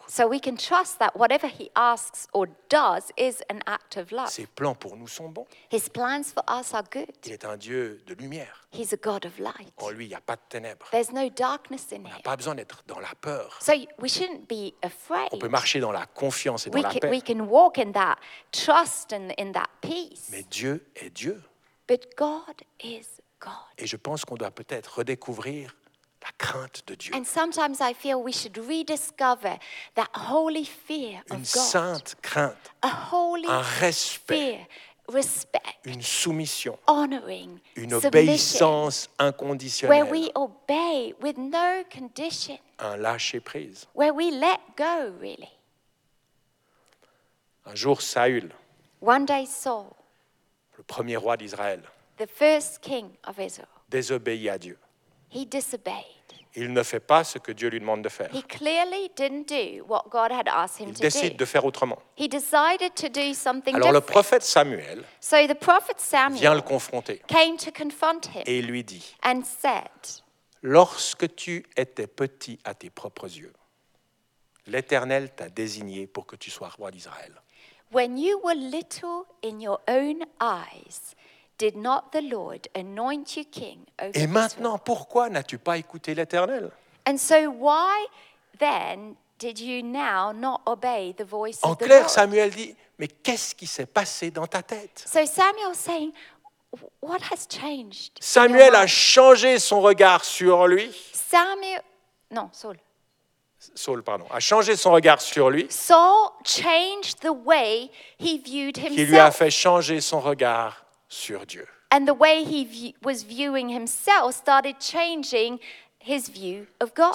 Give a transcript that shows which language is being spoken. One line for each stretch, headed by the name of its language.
English: So we can trust that whatever he asks or does is an act of love.
French: Ses plans pour nous sont bons.
English: His plans for us are good.
French: Il est un Dieu de lumière.
English: He's a God of light.
French: En lui, il n'y a pas de ténèbres.
English: There's no darkness in him.
French: On n'a pas besoin d'être dans la peur.
English: So we shouldn't be afraid.
French: On peut marcher dans la confiance et dans la paix.
English: We can walk in that trust and in that peace.
French: Mais Dieu est Dieu.
English: But God is God.
French: Et je pense qu'on doit peut-être redécouvrir la crainte de Dieu.
English: And sometimes I feel we should rediscover that holy fear of God.
French: Une sainte crainte.
English: A holy
French: un respect.
English: Fear, respect.
French: Une soumission.
English: Honoring.
French: Une obéissance inconditionnelle.
English: Where we obey with no condition.
French: Un lâcher prise.
English: Where we let go really.
French: Un jour Saül.
English: One day Saul.
French: Le premier roi d'Israël.
English: The first king of Israel.
French: Désobéit à Dieu.
English: He disobeyed.
French: Il ne fait pas ce que Dieu lui demande de faire.
English: He clearly didn't do what God had asked him
French: il
English: to do.
French: Il décide de faire autrement.
English: He decided to do something
French: alors Alors le prophète Samuel,
English: so the prophet Samuel
French: vient le confronter.
English: Came to confront him.
French: Et il lui dit.
English: And said,
French: lorsque tu étais petit à tes propres yeux, l'Éternel t'a désigné pour que tu sois roi d'Israël.
English: When you were little in your own eyes, did not the Lord anoint you king over Israel?
French: Et maintenant, pourquoi n'as-tu pas écouté l'Éternel?
English: And so why then did you now not obey the voice
French: en
English: of the
French: clair,
English: Lord?
French: En clair, Samuel dit, mais qu'est-ce qui s'est passé dans ta tête?
English: So Samuel saying, what has changed?
French: Samuel a changé son regard sur lui. Samuel, non, Saul. Saul, pardon, a changé son regard sur lui.
English: Saul changed the way he viewed himself.
French: Qui lui a fait changer son regard sur Dieu.
English: And the way he was viewing himself started changing his view of God.